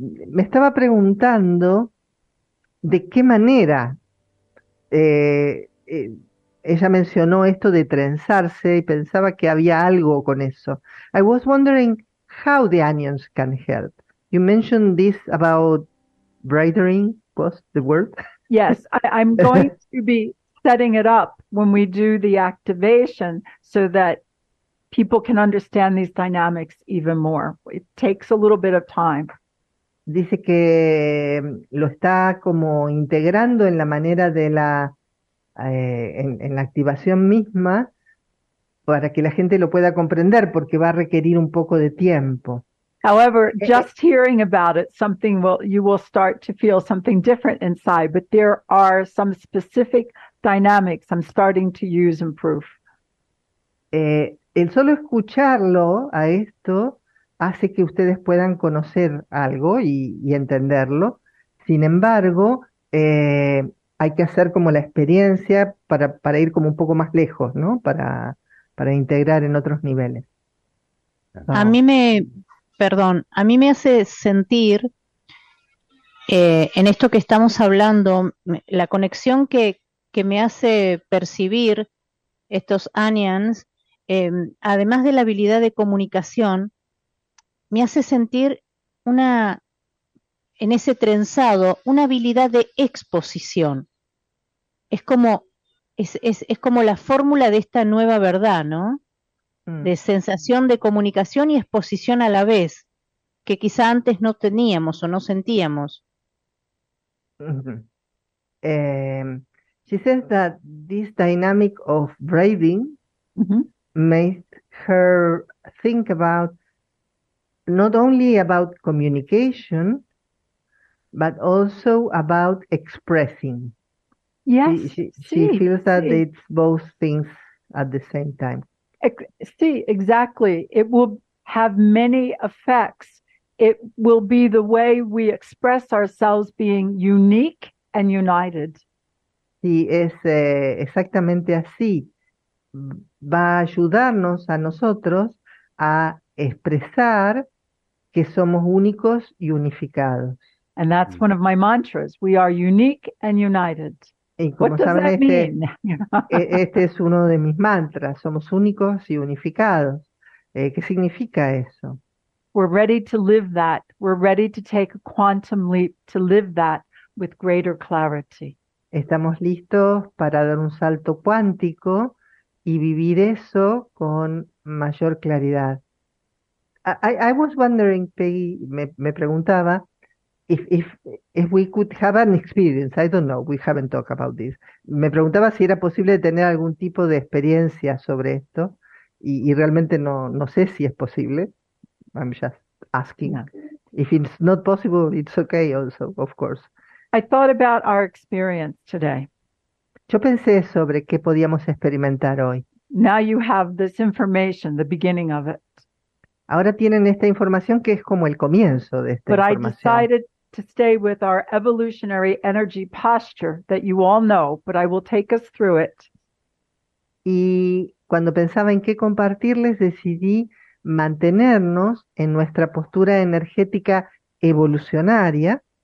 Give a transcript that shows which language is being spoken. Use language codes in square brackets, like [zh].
[es] Me estaba preguntando de qué manera ella mencionó esto de trenzarse y pensaba que había algo con eso. [en] I was wondering how the onions can help. You mentioned this about braiding, was the word? Yes, I'm going to be setting it up when we do the activation so that people can understand these dynamics even more. It takes a little bit of time. [es] Dice que lo está como integrando en la manera de la en la activación misma para que la gente lo pueda comprender porque va a requerir un poco de tiempo. [en] However, just hearing about it, you will start to feel something different inside, but there are some specific dynamics I'm starting to use and proof. [es] El solo escucharlo a esto hace que ustedes puedan conocer algo y entenderlo. Sin embargo, hay que hacer como la experiencia para ir como un poco más lejos, ¿no? Para integrar en otros niveles. A mí me, perdón, a mí me hace sentir en esto que estamos hablando, la conexión que me hace percibir estos onions, además de la habilidad de comunicación, me hace sentir en ese trenzado, una habilidad de exposición. Es como la fórmula de esta nueva verdad, ¿no? De sensación de comunicación y exposición a la vez, que quizá antes no teníamos o no sentíamos. [en] She says that this dynamic of braiding made her think about not only about communication, but also about expressing. Yes, she feels that it's both things at the same time. See, exactly. It will have many effects. It will be the way we express ourselves being unique and united. [es] Sí, es exactamente así. Va a ayudarnos a nosotros a expresar que somos únicos y unificados. [en] And that's one of my mantras. We are unique and united. [es] Y como saben, este es uno de mis mantras. Somos únicos y unificados. ¿Qué significa eso? [en] We're ready to live that. We're ready to take a quantum leap to live that with greater clarity. [es] Estamos listos para dar un salto cuántico y vivir eso con mayor claridad. [en] I was wondering, Peggy, [es] me preguntaba, [en] If we could have an experience, I don't know, we haven't talked about this. [es] Me preguntaba si era posible tener algún tipo de experiencia sobre esto, y realmente no sé si es posible. [en] I'm just asking. No. If it's not possible, it's okay also, of course. I thought about our experience today. [es] Yo pensé sobre qué podíamos experimentar hoy. [en] Now you have this information, the beginning of it. [es] Ahora tienen esta información que es como el comienzo de esta [en] But [es] información. [en] But I decided to stay with our evolutionary energy posture that you all know, but I will take us through it. [es] Y cuando pensaba en qué compartirles, decidí mantenernos en nuestra postura energética evolucionaria.